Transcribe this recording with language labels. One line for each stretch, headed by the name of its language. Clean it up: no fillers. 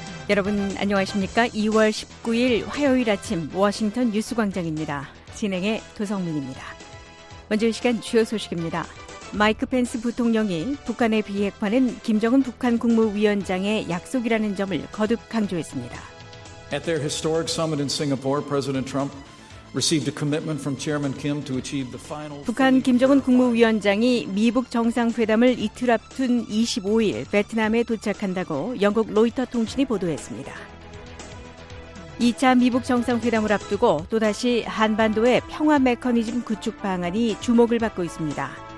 Korean: 여러분 안녕하십니까? 2월 19일 화요일 아침 워싱턴 뉴스 광장입니다. 진행의 도성민입니다. 먼저 이 시간 주요 소식입니다. 마이크 펜스 부통령이 북한의 비핵화는 김정은 북한 국무위원장의 약속이라는 점을 거듭 강조했습니다.
English: At their historic summit in Singapore, President Trump received a commitment from Chairman Kim to achieve the final.
Korean: 북한 김정은 국무위원장이 미북 정상회담을 이틀 앞둔 25일 베트남에 도착한다고 영국 로이터 통신이 보도했습니다. 2차 미북 정상회담을 앞두고 또다시 한반도의 평화 메커니즘 구축 방안이 주목을 받고 있습니다.